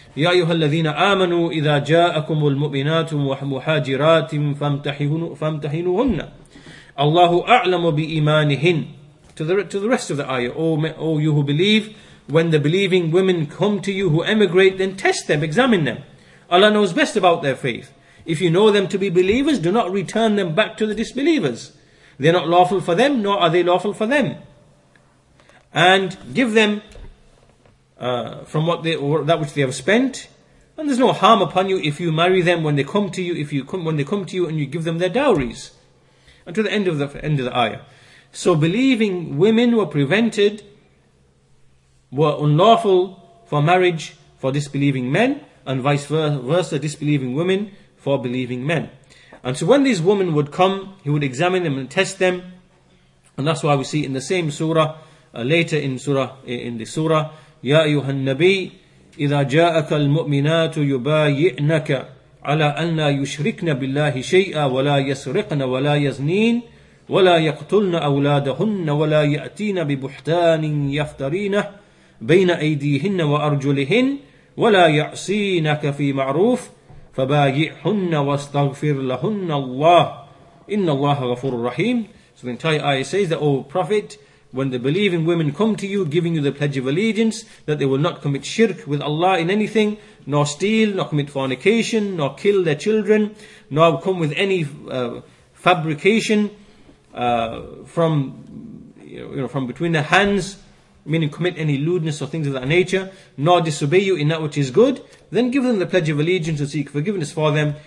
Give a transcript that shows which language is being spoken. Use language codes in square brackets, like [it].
[ar] يا أيها الذين آمنوا إذا جاءكم المؤمنات ومهاجرات فامتحنوهن الله أعلم بإيمانهن. [en] To the rest of the ayah, O you who believe, when the believing women come to you who emigrate, then test them, examine them. Allah knows best about their faith. If you know them to be believers, do not return them back to the disbelievers. They are not lawful for them, nor are they lawful for them. And give them from that which they have spent, and there's no harm upon you if you marry them when they come to you and you give them their dowries, until the end of the ayah. So believing women were unlawful for marriage for disbelieving men, and vice versa, disbelieving women for believing men. And so when these women would come, he would examine them and test them, and that's why we see in the same surah later in the surah. [ar] يا أيها النبي إذا جاءك المؤمنات يبايعنك على أن لا يشركن بالله شيئا ولا يسرقن ولا يزنين ولا يقتلن أولادهن ولا يأتين ببهتان يفترينه بين أيديهن وأرجلهن ولا يعصينك في معروف فبايعهن واستغفر لهن الله إن الله غفور رحيم. [en] So the entire ayah says that, O Prophet, when the believing women come to you, giving you the pledge of allegiance, that they will not commit shirk with Allah in anything, nor steal, nor commit fornication, nor kill their children, nor come with any fabrication from between their hands, meaning commit any lewdness or things of that nature, nor disobey you in that which is good, then give them the pledge of allegiance and seek forgiveness for them.